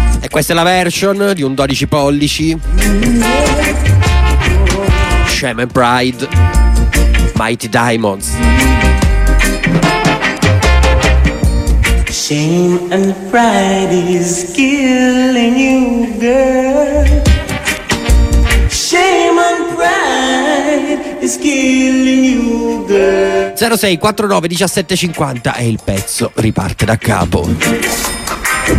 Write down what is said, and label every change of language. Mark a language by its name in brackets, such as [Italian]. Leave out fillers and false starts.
[Italian] Questa è la version di un 12 pollici, Shame and Pride, Mighty Diamonds. [English] Shame and pride is killing you, girl. Shame and pride is killing you, girl. [Italian] 06 49 17 50, e il pezzo riparte da capo.